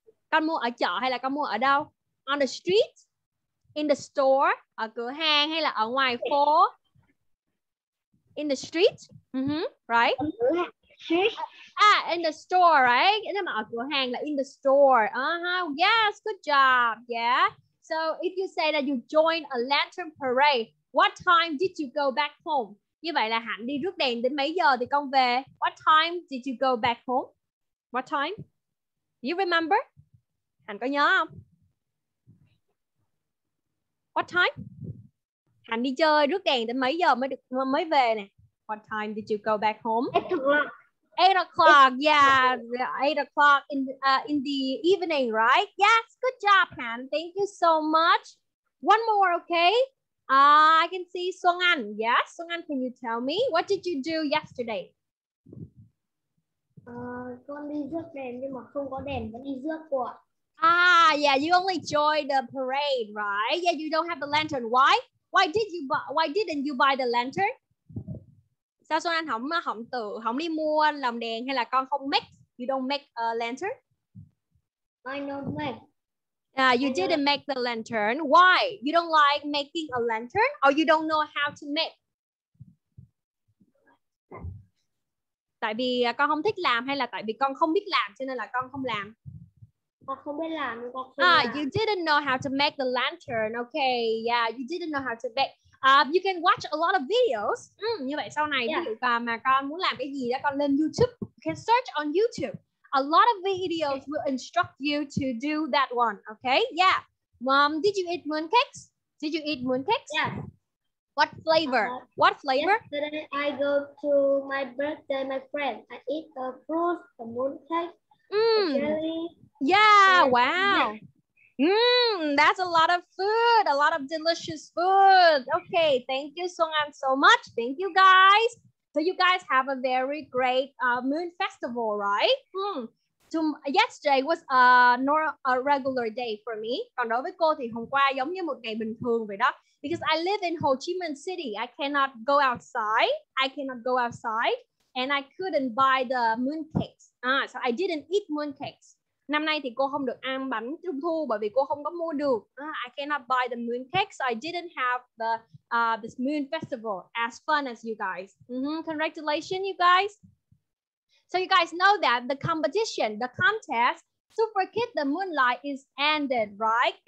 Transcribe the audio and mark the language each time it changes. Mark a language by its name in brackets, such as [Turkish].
[Vietnamese] Con mua ở chợ hay là con mua ở đâu? [English] On the street? In the store? [Vietnamese] Ở cửa hàng hay là ở ngoài phố? [English] In the street? Mm-hmm, right? In the store, right? [Vietnamese] Nếu mà ở cửa hàng là [English] in the store. Uh-huh. Yes, good job. Yeah. So if you say that you joined a lantern parade, what time did you go back home? [Vietnamese] Như vậy là Hạnh đi rước đèn đến mấy giờ thì con về? [English] What time did you go back home? What time? You remember? [Vietnamese] Hạnh có nhớ không? [English] What time? [Vietnamese] Hạnh đi chơi rước đèn đến mấy giờ mới về nè? [English] What time did you go back home? 8 o'clock, yeah, 8 o'clock in the evening, right? Yes, good job, Han. Thank you so much. One more, okay? I can see Xuân Anh. Yes, Xuân Anh, can you tell me what did you do yesterday? [Vietnamese] Con đi rước đèn nhưng mà không có đèn, vẫn đi rước [English] quạ. Yeah, you only joined the parade, right? Yeah, you don't have the lantern. Why? Why didn't you buy the lantern? [Vietnamese] Sao Xuân Anh không đi mua lồng đèn hay là con không make? [English] You don't make a lantern? I don't make. Didn't make the lantern. Why? You don't like making a lantern or you don't know how to make? [Vietnamese] Tại vì con không thích làm hay là tại vì con không biết làm cho nên là con không làm? Con không biết làm nên con không làm. [English] You didn't know how to make the lantern. Okay, yeah, you didn't know how to make. You can watch a lot of videos. [Vietnamese] Như vậy sau này ví dụ mà con muốn làm cái gì đó, con lên YouTube. [English] You can search on YouTube. A lot of videos will instruct you to do that one. Okay? Yeah. Mom, did you eat mooncakes? Did you eat mooncakes? Yes. What flavor? What flavor? Yesterday I go to my birthday, my friend. I eat the fruit, the mooncake, the jelly. Yeah, wow. Yeah. That's a lot of food, a lot of delicious food. Okay, thank you, Song An, so much. Thank you, guys. So you guys have a very great moon festival, right? Hmm. So yesterday was a regular day for me. [Vietnamese] Còn đối với cô thì hôm qua giống như một ngày bình thường vậy đó. [English] Because I live in Ho Chi Minh City, I cannot go outside. I cannot go outside, and I couldn't buy the moon cakes. So I didn't eat moon cakes. [Vietnamese] Năm nay thì cô không được ăn bánh trung thu bởi vì cô không có mua được. [English] I cannot buy the moon cakes. I didn't have the this moon festival as fun as you guys. Mm-hmm. Congratulations, you guys. So you guys know that the competition, the contest, Super Kid the Moonlight is ended, right?